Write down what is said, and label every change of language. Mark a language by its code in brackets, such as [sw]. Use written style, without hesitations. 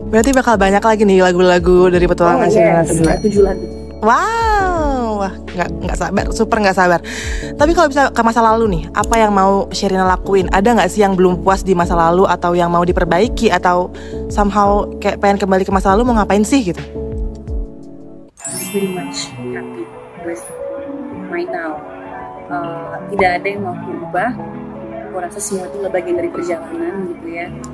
[id] Berarti bakal banyak lagi nih lagu-lagu dari Petualangan Shirina kedua. 7 lagu. Wah, nggak sabar, super nggak sabar. Tapi kalau bisa ke masa lalu nih, apa yang mau Shirina lakuin? Ada nggak sih yang belum puas di masa lalu atau yang mau diperbaiki atau somehow kayak pengen kembali ke masa lalu mau ngapain sih gitu? [en] Pretty much happy with my now. [id] Tidak ada yang mau berubah. Aku rasa semua itu adalah bagian dari perjalanan gitu ya.